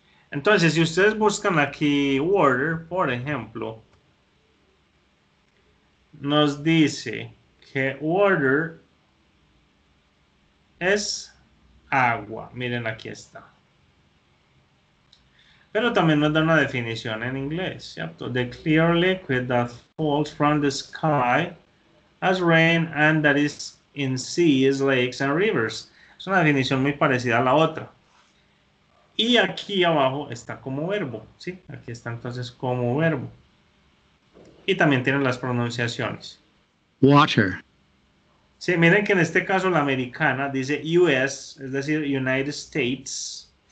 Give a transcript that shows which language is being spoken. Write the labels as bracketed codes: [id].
[es] Entonces, si ustedes buscan aquí water, por ejemplo, nos dice que water es agua. Miren, aquí está. Pero también nos da una definición en inglés, ¿cierto? [en] The clear liquid that falls from the sky as rain and that is in seas, lakes and rivers. [es] Es una definición muy parecida a la otra. Y aquí abajo está como verbo, ¿sí? Aquí está entonces como verbo. Y también tienen las pronunciaciones. [en] Water. [es] Sí, miren que en este caso la americana dice US, es decir, United States.